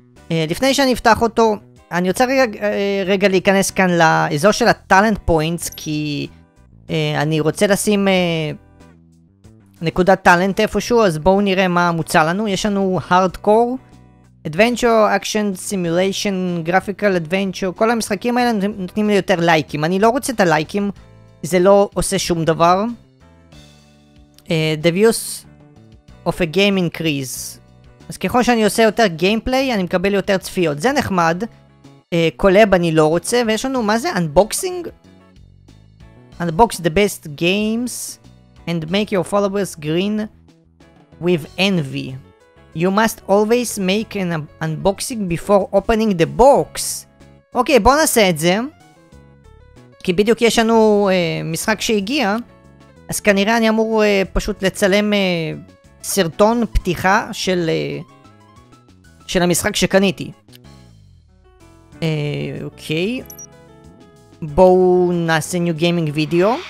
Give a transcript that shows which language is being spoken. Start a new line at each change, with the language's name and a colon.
Hebrew: לפני שאני אפתח אותו, אני רוצה רגע להיכנס כאן לאזור של הטלנט פוינטס, כי אני רוצה לשים נקודת טלנט איפשהו, אז בואו נראה מה מוצא לנו. יש לנו הארדקור, Adventure, Action, Simulation, Graphical Adventure, כל המשחקים האלה נותנים לי יותר לייקים. אני לא רוצה את הלייקים, זה לא עושה שום דבר.
English: The views of a game increase.
Hebrew: אז ככל שאני עושה יותר גיימפליי, אני מקבל יותר צפיות. זה נחמד. קולאב אני לא רוצה, ויש לנו, מה זה?
English: Unboxing? Unbox the best games and make your followers green with envy. You must always make an unboxing before opening the box.
Hebrew: אוקיי, בוא נעשה את זה. כי בדיוק יש לנו משחק שהגיע, אז כנראה אני אמור פשוט לצלם סרטון פתיחה של של המשחק שקניתי. אוקיי. בואו נעשה
English: new gaming video.